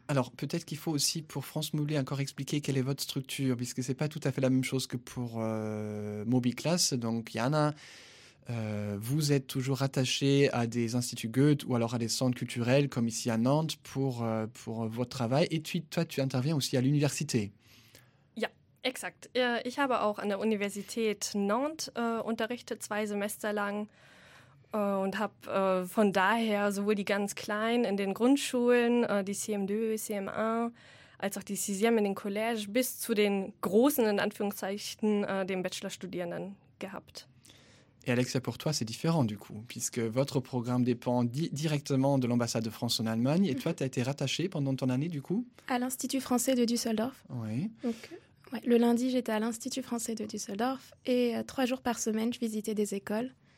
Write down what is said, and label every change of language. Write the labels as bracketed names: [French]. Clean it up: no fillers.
[French] Alors, peut-être qu'il faut aussi, pour France Mobile, encore expliquer quelle est votre structure, puisque ce n'est pas tout à fait la même chose que pour Mobi Class. Donc, Yana, vous êtes toujours attachée à des instituts Goethe ou alors à des centres culturels, comme ici à Nantes, pour votre travail. Et toi, tu interviens aussi à l'université. [German] Ja, exact. Ich habe auch an der Universität Nantes unterrichtet, 2 Semester lang. Und habe von daher sowohl die ganz Kleinen in den Grundschulen, die CM2, CM1, als auch die CSIEM in den Collèges, bis zu den Großen, in Anführungszeichen, den Bachelorstudierenden gehabt. [French] Et Alexia, pour toi, c'est différent du coup, puisque votre programme dépend directement de l'ambassade de France en Allemagne. Et toi, tu as été rattachée pendant ton année du coup? À l'Institut français de Düsseldorf. Oui. Donc, ouais, le lundi, j'étais à l'Institut français de Düsseldorf et 3 jours par semaine, je visitais des écoles.